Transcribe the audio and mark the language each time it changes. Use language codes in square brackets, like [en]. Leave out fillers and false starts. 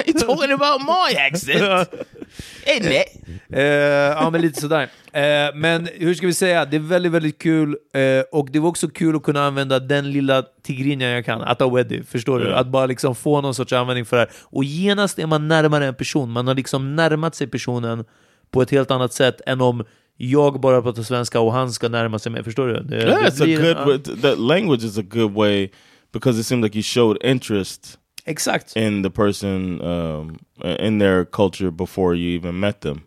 [en] You're talking about my accent. Isn't it? [sv] Men lite sådär. Men hur ska vi säga? Det är väldigt, väldigt kul. Och det var också kul att kunna använda den lilla tigrinjan jag kan. [en] At a wedding, [sv] förstår du? Att bara liksom få någon sorts användning för det här. Och genast är man närmare en person. Man har liksom närmat sig personen på ett helt annat sätt än om jag bara pratar svenska och han ska närma sig mig, förstår du? [en] That language is a good way because it seemed like you showed interest. [sv] Exakt. [en] In the person in their culture before you even met them.